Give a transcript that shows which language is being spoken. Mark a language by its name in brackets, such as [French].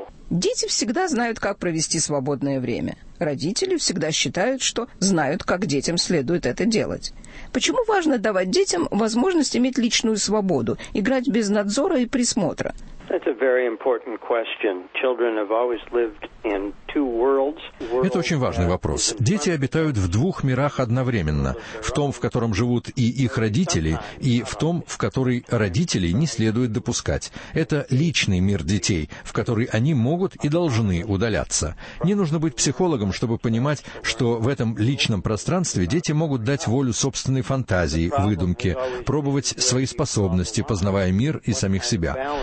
[Russian] Дети всегда знают, как провести свободное время. Родители всегда считают, что знают, как детям следует это делать. Почему важно давать детям возможность иметь личную свободу, играть без надзора и присмотра? [English] That's a very important question. Children have always lived in two worlds. [Russian] Это очень важный вопрос. Дети обитают в двух мирах одновременно, в том, в котором живут и их родители, и в том, в который родителей не следует допускать. Это личный мир детей, в который они могут и должны удаляться. Не нужно быть психологом, чтобы понимать, что в этом личном пространстве дети могут дать волю собственной фантазии, выдумке, пробовать свои способности, познавая мир и самих себя.